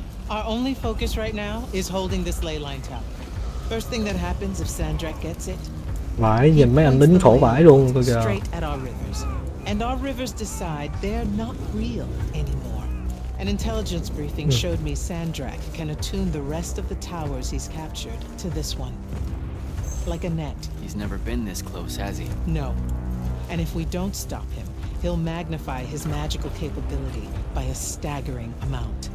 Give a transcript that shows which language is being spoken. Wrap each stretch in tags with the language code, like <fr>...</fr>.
<en>Our only focus right now is holding this ley line tower. First thing that happens if Sandrak gets it.</en> <vi>Vãi, nhìn mấy anh lính khổ vãi luôn coi kìa.</vi> <en>Straight at our rivers. And our rivers decide they're not real anymore. An intelligence briefing showed me Sandrak can attune the rest of the towers he's captured to this one. Like a net. He's never been this close, has he? No. And if we don't stop him, he'll magnify his magical capability by a staggering amount.</en>